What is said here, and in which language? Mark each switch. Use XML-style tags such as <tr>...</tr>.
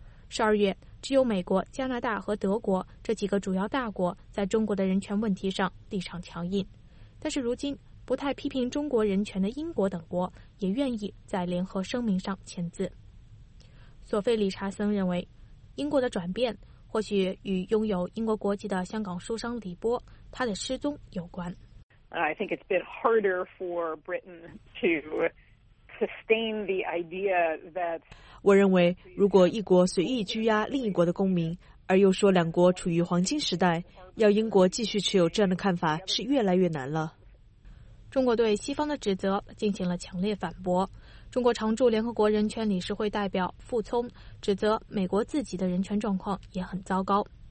<zh>12月，只有美国、加拿大和德国这几个主要大国在中国的人权问题上立场强硬，但是如今不太批评中国人权的英国等国也愿意在联合声明上签字。索菲·理查森认为，英国的转变或许与拥有英国国籍的香港书商李波他的失踪有关。</zh> <en>I think it's a bit harder for Britain to sustain the idea that。</en> <zh>我认为，如果一国随意拘押另一国的公民，而又说两国处于黄金时代，要英国继续持有这样的看法是越来越难了。中国对西方的指责进行了强烈反驳。中国常驻联合国人权理事会代表傅聪指责美国自己的人权状况也很糟糕。</zh>